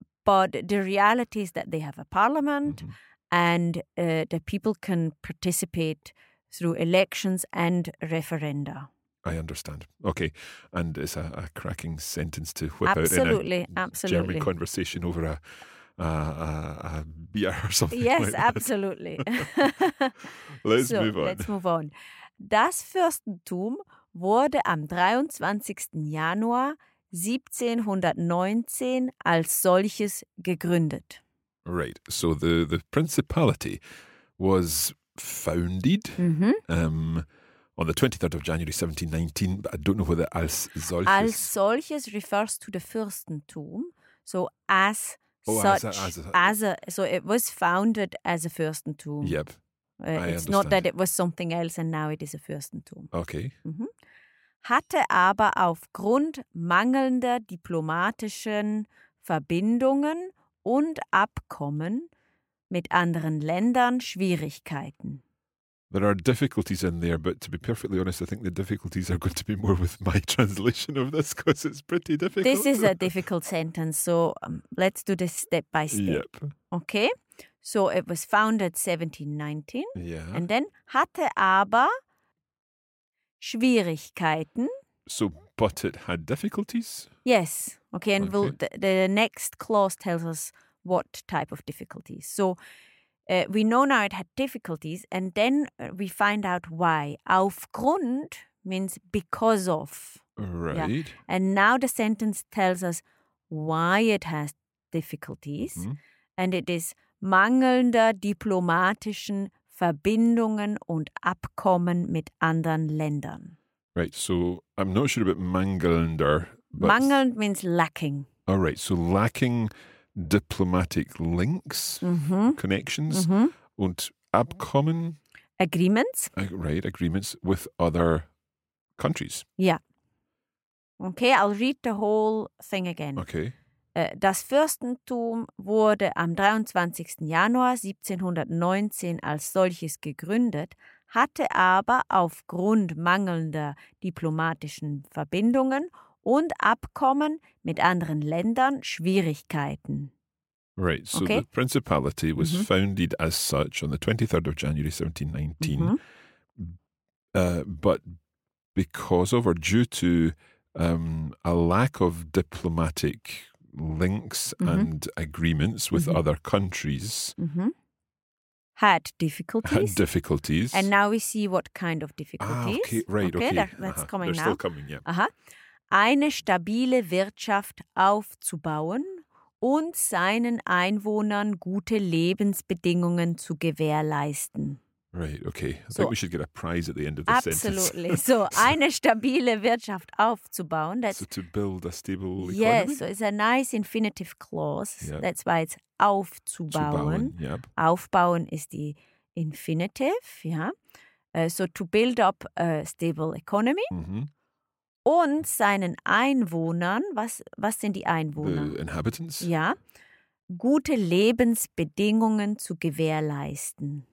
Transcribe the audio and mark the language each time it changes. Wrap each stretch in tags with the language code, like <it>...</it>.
<en>But the reality is that they have a parliament mm-hmm. and the people can participate through elections and referenda. I understand. Okay. And it's a cracking sentence to whip absolutely, out in a absolutely. German conversation over a beer or something. Yes, like that. Absolutely. Let's so, move on. Let's move on.</en> <de>Das Fürstentum wurde am 23. Januar 1719 als solches gegründet.</de> <en>Right. So the principality was founded mm-hmm. On the 23rd of January 1719. I don't know whether</en> <de>als solches. Als solches</de> <en>refers to the Fürstentum. So as oh, such as a, so it was founded as a Fürstentum. Yep. It's understand. Not that it was something else and now it is a Fürstentum. Okay. Mm-hmm.</en> <de>Hatte aber aufgrund mangelnder diplomatischen Verbindungen und Abkommen mit anderen Ländern Schwierigkeiten.</de> <en>There are difficulties in there, but to be perfectly honest, I think the difficulties are going to be more with my translation of this because it's pretty difficult. This is a difficult sentence, so let's do this step by step. Yep. Okay. So it was founded 1719. Yeah. And then</en> <de>hatte aber Schwierigkeiten.</de> <en>So, but it had difficulties? Yes. Okay, and okay. We'll, the next clause tells us what type of difficulties. So we know now it had difficulties, and then we find out why. Aufgrund means because of. Right. Yeah. And now the sentence tells us why it has difficulties. Mm-hmm. And it is</en> <de>mangelnder diplomatischen Verbindungen und Abkommen mit anderen Ländern.</de> <en>Right, so I'm not sure about mangelnder. But mangelnd means lacking. All right, so lacking diplomatic links, mm-hmm. connections, mm-hmm.</en> <de>und Abkommen.</de> <en>Agreements. Right, agreements with other countries. Yeah. Okay, I'll read the whole thing again. Okay.</en> <de>Das Fürstentum wurde am 23. Januar 1719 als solches gegründet, hatte aber aufgrund mangelnder diplomatischen Verbindungen und Abkommen mit anderen Ländern Schwierigkeiten.</de> <en>Right, so okay. The principality was mm-hmm. founded as such on the 23rd of January 1719, mm-hmm. But because of or due to a lack of diplomatic links mm-hmm. and agreements with mm-hmm. other countries. Mm-hmm. Had difficulties. Had difficulties. And now we see what kind of difficulties. Ah, okay, right, okay. That's uh-huh. coming They're They're still coming, yeah. Uh-huh.</en> <de>Eine stabile Wirtschaft aufzubauen und seinen Einwohnern gute Lebensbedingungen zu gewährleisten.</de> <en>Right, okay. I think we should get a prize at the end of the absolutely. Sentence. Absolutely.</en> <de>So, eine stabile Wirtschaft aufzubauen.</de> <en>That's, so, to build a stable economy? Yes, so it's a nice infinitive clause. Yep. That's why it's aufzubauen. Yep. Aufbauen is the infinitive, yeah. So, to build up a stable economy. Mm-hmm.</en> <de>Und seinen Einwohnern, was sind die Einwohner?</de> <en>The inhabitants. Yeah.</en> <de>Gute Lebensbedingungen zu gewährleisten.</de>